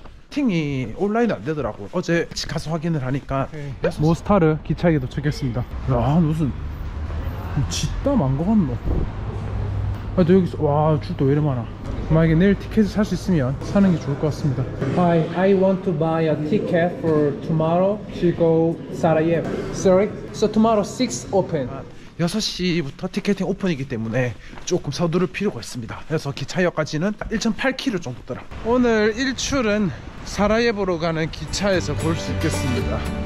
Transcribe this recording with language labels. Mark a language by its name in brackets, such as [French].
[Korean] 팅이 온라인 안 되더라고. 어제 가서 확인을 하니까 [English] okay. [Korean] 모스타르 기차에 도착했습니다. 야, 무슨 짓담 안 거 같노? 아, 너 여기서 와, 줄도 왜 이리 많아. 만약에 내일 티켓을 살 수 있으면 사는 게 좋을 것 같습니다. [English] Hi, I want to buy a ticket for tomorrow to go Sarajevo. Sorry? So tomorrow 6 open. [Korean] 6시부터 티켓팅 오픈이기 때문에 조금 서두를 필요가 있습니다. 그래서 기차역까지는 1.8km 정도더라. 오늘 일출은 사라예보로 가는 기차에서 볼 수 있겠습니다.